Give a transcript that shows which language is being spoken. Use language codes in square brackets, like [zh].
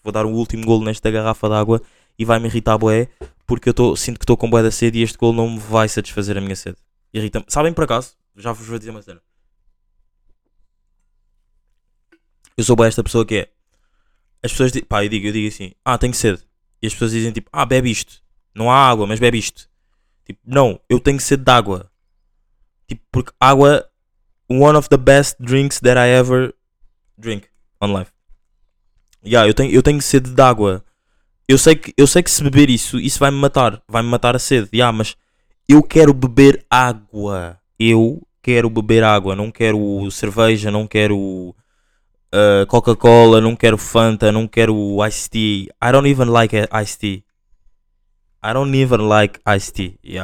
[pt] Vou dar o último golo nesta garrafa d'água e vai-me irritar bué, porque sinto que estou com bué da sede e este golo não me vai satisfazer a minha sede. Irrita-me. Sabem por acaso? Já vos vou dizer uma cena. Eu sou bué esta pessoa que é. As pessoas dizem. Pá, eu digo assim. Ah, tenho sede. E as pessoas dizem tipo. Ah, bebe isto. Não há água, mas bebe isto. Tipo, não. Eu tenho sede de água. Tipo, porque água. [en] One of the best drinks that I ever drink on life. [pt] Eu tenho sede de água. Eu sei que se beber isso vai me matar. Vai me matar a sede. Mas eu quero beber água. Eu quero beber água. Não quero cerveja, não quero Coca-Cola, não quero Fanta, não quero iced tea. [en] I don't even like iced tea. I don't even like iced tea.